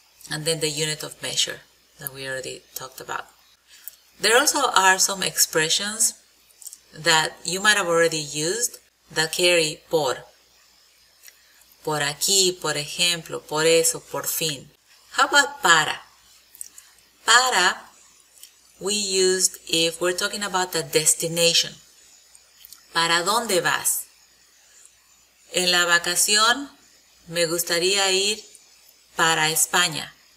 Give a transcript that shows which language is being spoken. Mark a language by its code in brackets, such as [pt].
[en] And then the unit of measure that we already talked about. There also are some expressions that you might have already used that carry por. [es] Por aquí, por ejemplo, por eso, por fin. [en] How about para? Para, we used if we're talking about a destination. [es] ¿Para dónde vas? En la vacación, me gustaría ir para España.